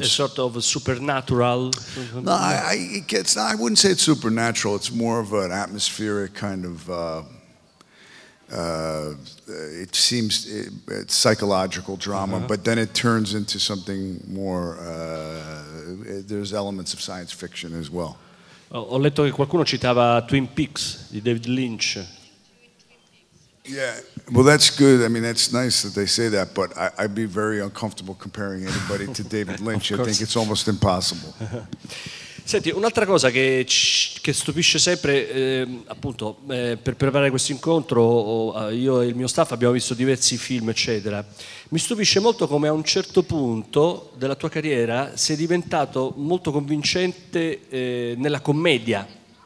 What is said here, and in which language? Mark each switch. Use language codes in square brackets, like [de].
[en] A sort of a supernatural. No, I wouldn't say it's supernatural. It's more of an atmospheric kind of. It seems it's psychological drama, uh-huh. But then it turns into something more. There's elements of science fiction as well. [it] Ho letto che qualcuno citava Twin Peaks di David Lynch. [en] Yeah, well, that's good. I mean, that's nice that they say that, but I'd be very uncomfortable comparing anybody to David Lynch. I think it's almost impossible. [it] Senti, un'altra cosa che stupisce sempre, appunto, per preparare questo incontro, io e il mio staff abbiamo visto diversi film, eccetera. Mi stupisce molto come a un certo punto della tua carriera sei diventato molto convincente nella commedia.